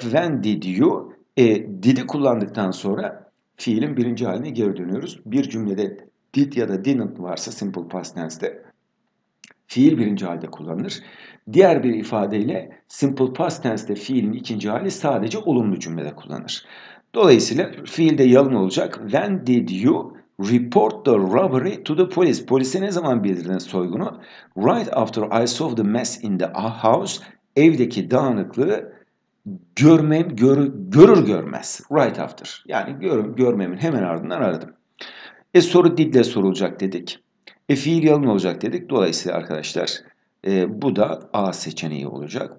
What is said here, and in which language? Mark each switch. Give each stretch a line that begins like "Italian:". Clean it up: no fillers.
English: When did you?
Turkish: Did'i kullandıktan sonra fiilin birinci haline geri dönüyoruz. Bir cümlede did ya da didn't varsa simple past tense'de fiil birinci halde kullanılır. Diğer bir ifadeyle simple past tense'de fiilin ikinci hali sadece olumlu cümlede kullanılır. Dolayısıyla fiilde yalın olacak.
English: When did you report the robbery to the police?
Turkish: Polise ne zaman bildirdin soygunu?
English: Right after I saw the mess in the house.
Turkish: Evdeki dağınıklığı görür görmez.
English: Right after.
Turkish: Yani görmemin hemen ardından aradım. Soru did'le sorulacak dedik. Fiil yalın olacak dedik. Dolayısıyla arkadaşlar bu da A seçeneği olacak.